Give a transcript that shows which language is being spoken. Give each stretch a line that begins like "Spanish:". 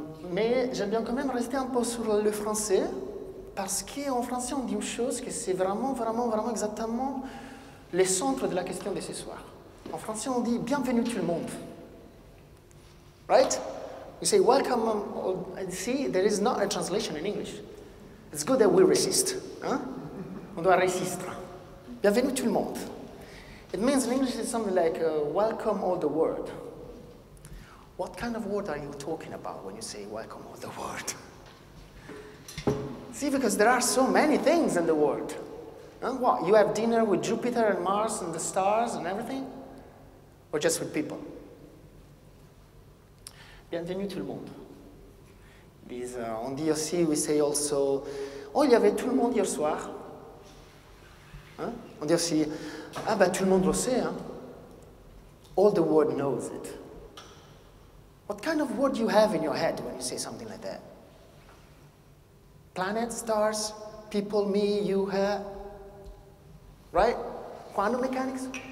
French: Mais j'aime bien quand même rester un peu sur le français, parce qu'en français, on dit une chose que c'est vraiment, vraiment, vraiment exactement le centre de la question de ce soir. En français, on dit bienvenue tout le monde.
English: Right? You say welcome. See, there is not a translation in English. It's good that we resist.
French: Hein? On doit résister. Bienvenue tout le monde.
English: It means in English it's something like welcome all the world. What kind of world are you talking about when you say welcome all the world? See, because there are so many things in the world. And what? You have dinner with Jupiter and Mars and the stars and everything? Or just with people?
French: Bienvenue tout le monde. On dit aussi,
English: we say also,
French: oh, il y avait tout le monde hier soir. Hein? On dit aussi, ah ben tout le monde le sait, hein?
English: All the world knows it. What kind of world do you have in your head when you say something like that? Planet, stars, people, me, you, her, right? Quantum mechanics?